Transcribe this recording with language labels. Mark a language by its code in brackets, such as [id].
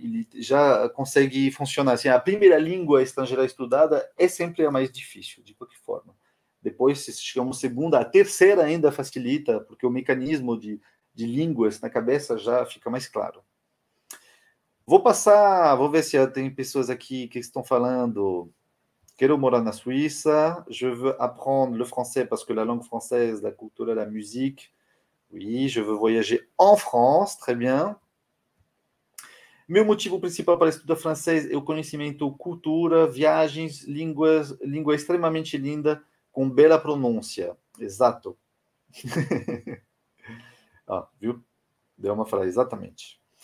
[pt] Ele já consegue funcionar assim. A primeira língua estrangeira estudada é sempre a mais difícil, de qualquer forma. Depois, se chegamos à segunda, a terceira ainda facilita, porque o mecanismo de línguas na cabeça já fica mais claro. Vou ver se tem pessoas aqui que estão falando. Quero morar na Suíça. [fr] Je veux apprendre le français parce que la langue française, la culture, la musique. Oui, je veux voyager en France. Très bien. [pt] Meu motivo principal para estudar francês é o conhecimento, cultura, viagens, línguas, língua extremamente linda, com bela pronúncia. Exato. Ah, viu? Deu uma frase, exatamente.